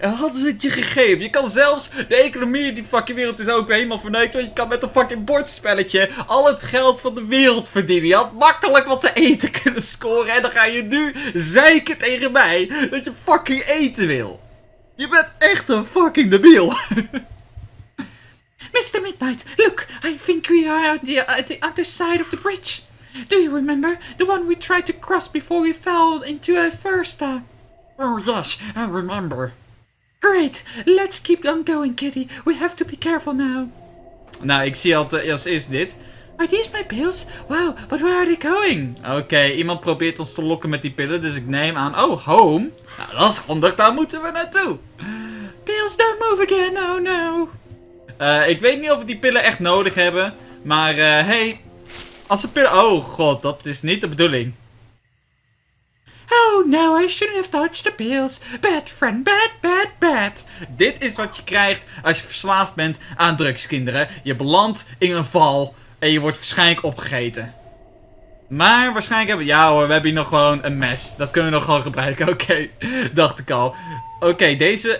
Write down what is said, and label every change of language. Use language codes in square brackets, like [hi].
[nl] En hadden ze het je gegeven. Je kan zelfs, de economie in die fucking wereld is ook helemaal verneukt, want je kan met een fucking bordspelletje al het geld van de wereld verdienen. Je had makkelijk wat te eten kunnen scoren en dan ga je nu zeiken tegen mij dat je fucking eten wil. Je bent echt een fucking debiel. [en] Mr. Midnight, look, I think we are at the other side of the bridge. Do you remember? The one we tried to cross before we fell into a first. Oh yes, I remember. Great, let's keep on going, kitty. We have to be careful now. [nl] Nou, ik zie al als is dit. [en] Are these my pills? Wow, but where are they going? [nl] Oké, iemand probeert ons te lokken met die pillen, dus ik neem aan... [en] Oh, home? [nl] Nou, dat is handig, daar moeten we naartoe. [en] Pills don't move again, oh no. [nl] Ik weet niet of we die pillen echt nodig hebben, maar hey, als we pillen... Oh god, dat is niet de bedoeling. [en] Oh no, I shouldn't have touched the pills. Bad friend, bad, bad, bad. [nl] Dit is wat je krijgt als je verslaafd bent aan drugs, kinderen. Je belandt in een val en je wordt waarschijnlijk opgegeten. Maar waarschijnlijk hebben... Ja hoor, we hebben hier nog gewoon een mes. Dat kunnen we nog gewoon gebruiken, oké. Dacht ik al. Oké, deze...